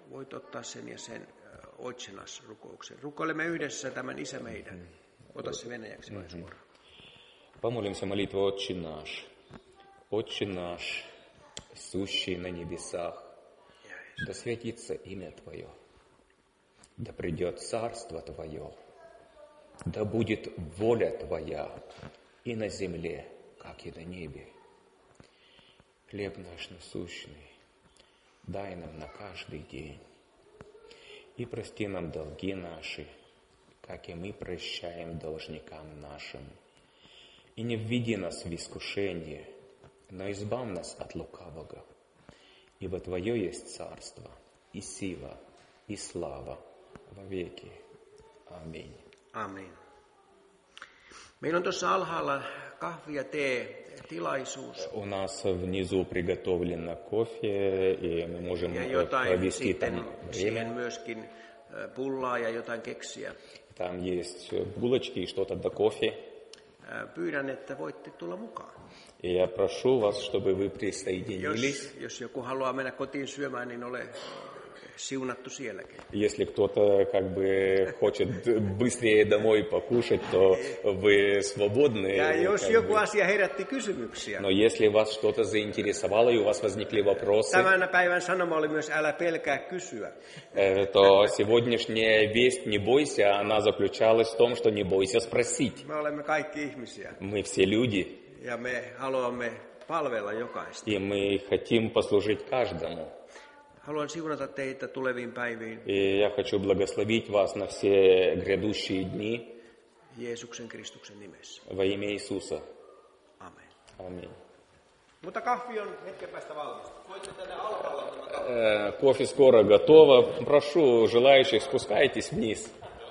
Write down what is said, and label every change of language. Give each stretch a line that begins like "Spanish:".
Finnish: Voit ottaa sen ja sen Otsenas rukouksen. Rukoilemme yhdessä tämän Isä meidän. Ota se venäjäksi.
Russian: Помолимся молитву Отче наш. Отче наш, сущий на небесах. Да святится имя Твое. Да придет царство Твое, да будет воля Твоя и на земле, как и на небе. Хлеб наш насущный, дай нам на каждый день. И прости нам долги наши, как и мы прощаем должникам нашим. И не введи нас в искушение, но избавь нас от лукавого. Ибо Твое есть царство, и сила, и слава. Вовеки. Аминь. Аминь.
Finnish: Meillä on tuossa alhaalla kahvi ja tee tilaisuus.
Russian: У нас внизу приготовлено кофе, и мы можем провести там время.
Finnish: Siihen myöskin pullaa ja jotain keksiä.
Russian: Там есть булочки и что-то до кофе.
Finnish: Pyydän, että voitte tulla mukaan.
Russian: Я прошу вас, чтобы вы присоединились.
Finnish: Jos joku haluaa mennä kotiin syömään, niin ole siunattu sielläkin.
Russian: Если кто-то как бы хочет быстрее домой покушать, то вы свободны.
Finnish: Ja jos joku asia herätti kysymyksiä.
Russian: Но если вас что-то заинтересовало и у вас возникли вопросы.
Finnish: Tämän päivän sanoma oli myös älä pelkää kysyä.
Russian: То сегодняшняя весть не бойся, она заключалась в том, что не бойся спросить.
Finnish: Me olemme kaikki ihmisiä.
Russian: Мы все люди.
Finnish: Ja me haluamme palvella jokaista.
Russian: И мы хотим послужить каждому.
Finnish: Haluan siunata teitä tuleviin päiviin.
Russian: И я хочу благословить вас на все грядущие дни.
Finnish: Jeesuksen Kristuksen nimessä.
Russian: Во имя Иисуса.
Finnish: Amen.
Russian: Amen.
Finnish: Mutta kahvi on hetken päästä valmis. Voitte tänne alhaalla.
Russian: Кофе скоро готово. Прошу желающих, спускайтесь вниз.